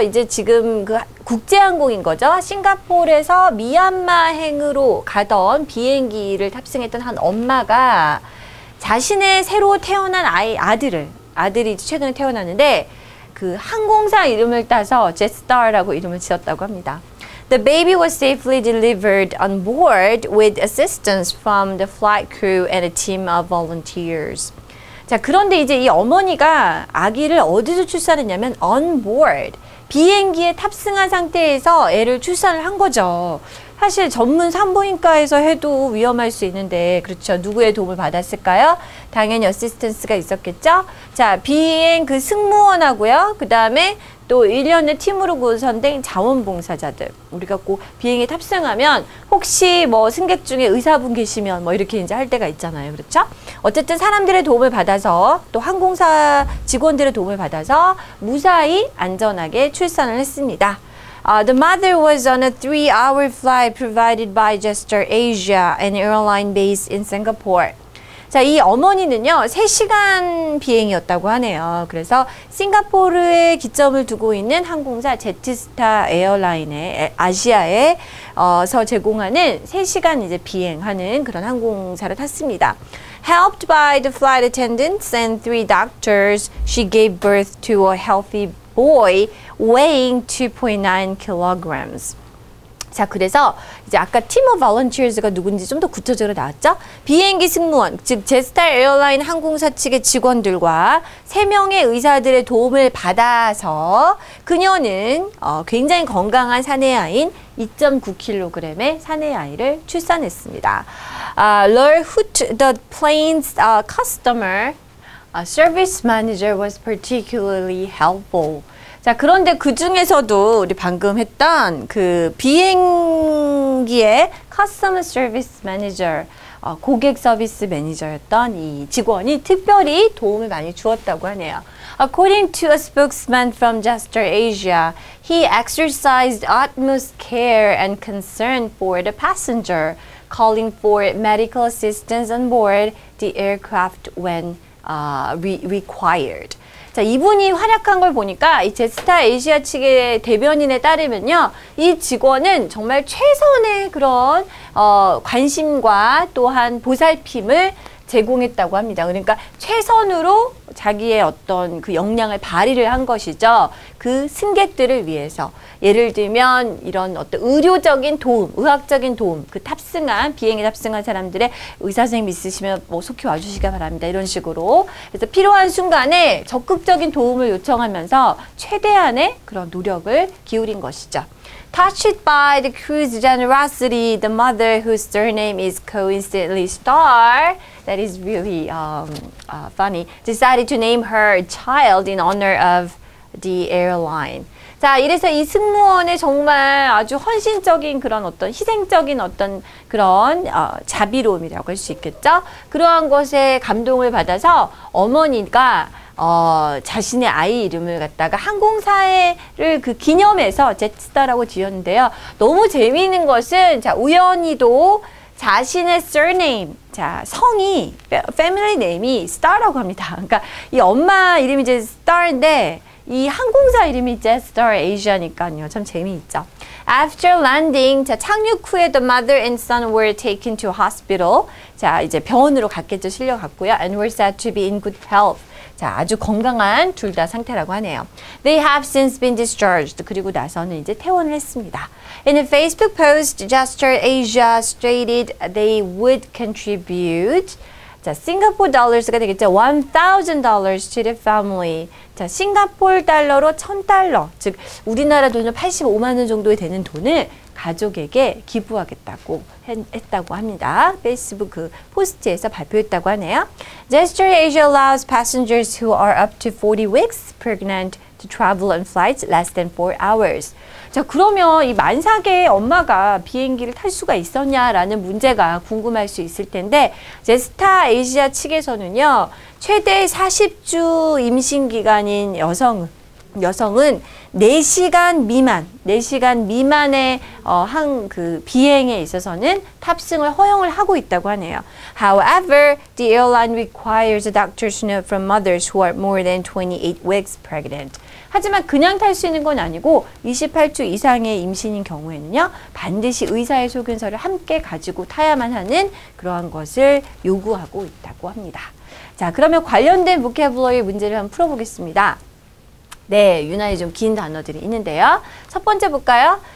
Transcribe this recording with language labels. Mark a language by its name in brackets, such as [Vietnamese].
[Korean] 이제 지금 그 국제항공인 거죠. 싱가포르에서 미얀마 행으로 가던 비행기를 탑승했던 한 엄마가 자신의 새로 태어난 아들이 최근에 태어났는데 그 항공사 이름을 따서 Jetstar라고 이름을 지었다고 합니다. [English] The baby was safely delivered on board with assistance from the flight crew and a team of volunteers. [Korean] 자, 그런데 이제 이 어머니가 아기를 어디서 출산했냐면 [English] on board, [Korean] 비행기에 탑승한 상태에서 애를 출산을 한 거죠. 사실 전문 산부인과에서 해도 위험할 수 있는데 그렇죠. 누구의 도움을 받았을까요? 당연히 어시스턴스가 있었겠죠. 자, 비행 그 승무원하고요. 그다음에 또 일련의 팀으로 구성된 자원봉사자들. 우리가 꼭 비행에 탑승하면 혹시 뭐 승객 중에 의사분 계시면 뭐 이렇게 이제 할 때가 있잖아요. 그렇죠? 어쨌든 사람들의 도움을 받아서 또 항공사 직원들의 도움을 받아서 무사히 안전하게 출산을 했습니다. [English] The mother was on a three-hour flight provided by Jetstar Asia, an airline based in Singapore. [Korean] 자, 이 어머니는요, 3시간 비행이었다고 하네요. 그래서 싱가포르에 기점을 두고 있는 항공사 제트스타 에어라인의 아시아에 서 제공하는 3시간 이제 비행하는 그런 항공사를 탔습니다. [English] Helped by the flight attendants and three doctors, she gave birth to a healthy boy weighing 2.9 kilograms. [Korean] 자, 그래서 이제 아까 팀 [English] of volunteers [Korean] 가 누군지 좀 더 구체적으로 나왔죠? 비행기 승무원, 즉 제스타 에어라인 항공사 측의 직원들과 세 명의 의사들의 도움을 받아서 그녀는 굉장히 건강한 사내아인 2.9kg의 사내아이를 출산했습니다. [English] Lur Hoot, the plane's customer, a service manager was particularly helpful. [Korean] 자, 그런데 그 중에서도 우리 방금 했던 그 비행기의 [English] customer service manager, [Korean] 고객 서비스 매니저였던 이 직원이 특별히 도움을 많이 주었다고 하네요. [English] According to a spokesman from Jetstar Asia, he exercised utmost care and concern for the passenger, calling for medical assistance on board the aircraft when required. [Korean] 자, 이분이 활약한 걸 보니까 이 제스타 아시아 측의 대변인에 따르면요. 이 직원은 정말 최선의 그런 관심과 또한 보살핌을 제공했다고 합니다. 그러니까 최선으로 자기의 어떤 그 역량을 발휘를 한 것이죠. 그 승객들을 위해서 예를 들면 이런 어떤 의료적인 도움, 의학적인 도움, 그 비행에 탑승한 사람들의 의사 선생님 있으시면 뭐 속히 와주시기 바랍니다. 이런 식으로 그래서 필요한 순간에 적극적인 도움을 요청하면서 최대한의 그런 노력을 기울인 것이죠. [English] Touched by the crew's generosity, the mother whose surname is coincidentally Star, that is really funny, decided to name her child in honor of the airline. [Korean] 자, 이래서 이 승무원의 정말 아주 헌신적인 그런 어떤 희생적인 어떤 그런 자비로움이라고 할 수 있겠죠? 그러한 것에 감동을 받아서 어머니가 자신의 아이 이름을 갖다가 항공사를 그 기념해서 제트스타라고 지었는데요. 너무 재미있는 것은 자, 우연히도 자신의 surname, 자, 성이 family name이 Star라고 합니다. 그러니까 이 엄마 이름이 이제 Star인데 이 항공사 이름이 Jetstar Asia니까요. 참 재미있죠. [English] After landing, [Korean] 자, 착륙 후에 [English] the mother and son were taken to hospital. [Korean] 자, 이제 병원으로 갔겠죠. 실려갔고요. [English] And were said to be in good health. [Korean] 자, 아주 건강한 둘 다 상태라고 하네요. [English] They have since been discharged. [Korean] 그리고 나서는 이제 퇴원을 했습니다. [English] In a Facebook post, Jetstar Asia stated they would contribute [Korean] 자, [English] Singapore dollars가 [Korean] 되겠죠. [English] $1,000 to the family. [Korean] 자, 싱가포르 달러로 1,000달러, 즉 우리나라 돈으로 85만 원 정도에 되는 돈을 가족에게 기부하겠다고 했다고 합니다. 페이스북 포스트에서 발표했다고 하네요. [English] Gesture Asia allows passengers who are up to 40 weeks pregnant to travel on flights less than 4 hours. [Korean] 자, 그러면 이 만삭의 엄마가 비행기를 탈 수가 있었냐라는 문제가 궁금할 수 있을 텐데 제스타 아시아 측에서는요. 최대 40주 임신 기간인 여성은 4시간 미만의 비행에 있어서는 탑승을 허용을 하고 있다고 하네요. [English] However, the airline requires a doctor's note from mothers who are more than 28 weeks pregnant. [Korean] 하지만 그냥 탈 수 있는 건 아니고 28주 이상의 임신인 경우에는요. 반드시 의사의 소견서를 함께 가지고 타야만 하는 그러한 것을 요구하고 있다고 합니다. 자, 그러면 관련된 vocabulary 문제를 한번 풀어보겠습니다. 네, 유난히 좀 긴 단어들이 있는데요. 첫 번째 볼까요?